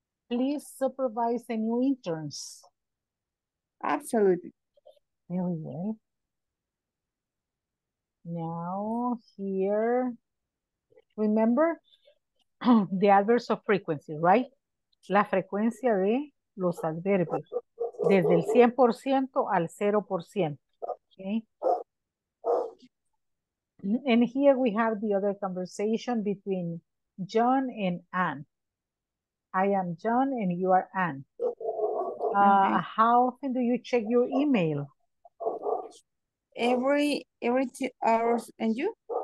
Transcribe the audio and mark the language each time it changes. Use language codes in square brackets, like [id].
[en] Please supervise the new interns. Absolutely. Very well. Now, here, remember the adverbs of frequency, right? [es] La frecuencia de los adverbios, desde el 100% al 0%, okay? [en] And here we have the other conversation between John and Anne. I am John and you are Anne. Okay. How often do you check your email? Every 2 hours, and you?